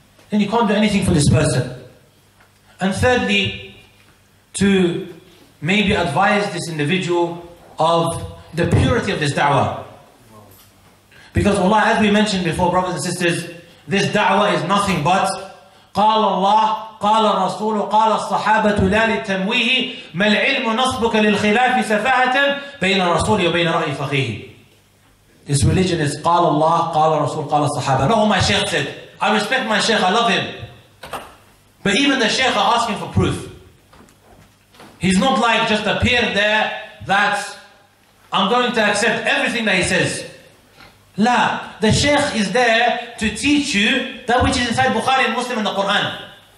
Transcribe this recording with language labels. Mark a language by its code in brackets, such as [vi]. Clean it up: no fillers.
[en] Then you can't do anything for this person. And thirdly, to maybe advise this individual of the purity of this da'wah. Because Allah, as we mentioned before, brothers and sisters, this da'wah is nothing but [ar] قال الله قال الرسول قال الصحابة لا للتمويه ما العلم نصبك للخلاف سفاهة بين الرسول وبين رأي فقيه. [en] This religion is [ar] قال الله قال الرسول قال الصحابة. [en] No, my sheikh said. I respect my sheikh. I love him. But even the sheikh are asking for proof. He's not like just a peer there that I'm going to accept everything that he says. La, the sheikh is there to teach you that which is inside Bukhari and Muslim and the Quran.